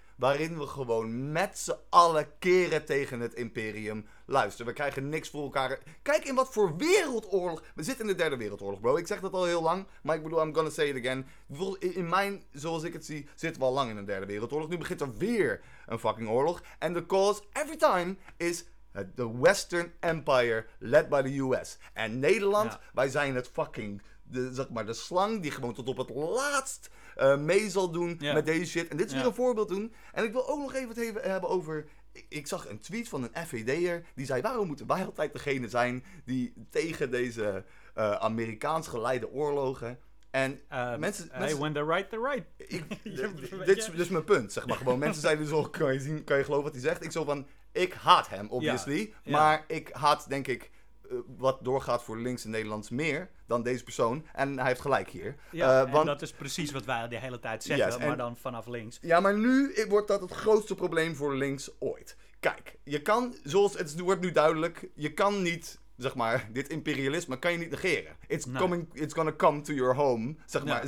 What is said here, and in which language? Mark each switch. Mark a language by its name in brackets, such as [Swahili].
[Dutch] Waarin we gewoon met z'n allen keren tegen het imperium. Luister, we krijgen niks voor elkaar. Kijk in wat voor wereldoorlog. We zitten in de derde wereldoorlog, bro. Ik zeg dat al heel lang. Maar ik bedoel, [English] I'm gonna say it again. [Dutch] In mijn, zoals ik het zie, zitten we al lang in een derde wereldoorlog. Nu begint er weer een fucking oorlog. [English] And the cause, every time, is the Western Empire led by the US. [Dutch] En Nederland, wij zijn het fucking, de slang die gewoon tot op het laatst... mee zal doen met deze shit. En dit is weer een voorbeeld doen. En ik wil ook nog even het hebben over... Ik zag een tweet van een FVD'er... die zei, waarom moeten wij altijd degene zijn... die tegen deze Amerikaans geleide oorlogen... En mensen, [English] when they're right, they're right. [Dutch] Dit is mijn punt, zeg maar. Gewoon mensen zeiden zo, kan je geloven wat hij zegt? Ik zo van, Ik haat hem, obviously. Ja. Maar ik haat, denk ik, wat doorgaat voor links in Nederlands meer dan deze persoon. En hij heeft gelijk hier. Ja, want dat is precies wat wij de hele tijd zeggen, maar dan vanaf links. Ja, maar nu wordt dat het grootste probleem voor links ooit. Kijk, je kan, zoals het wordt nu duidelijk, je kan niet, zeg maar, dit imperialisme kan je niet negeren. [English] It's gonna come to your home, [Dutch] zeg maar.